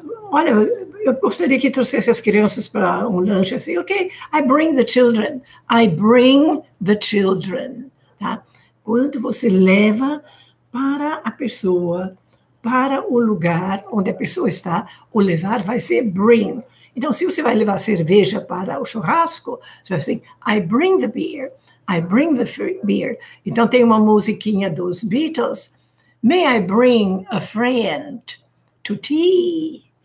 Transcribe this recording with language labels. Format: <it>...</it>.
<pt>Olha, eu gostaria que trouxesse as crianças para um lanche, assim, ok?</pt> <en>I bring the children, I bring the children, tá?</en> <pt>Quando você leva para a pessoa, para o lugar onde a pessoa está, o levar vai ser bring. Então, se você vai levar cerveja para o churrasco, você vai dizer,</pt> <en>I bring the beer, I bring the beer.</en> <pt>Então, tem uma musiquinha dos Beatles.</pt> <en>May I bring a friend to tea?</en>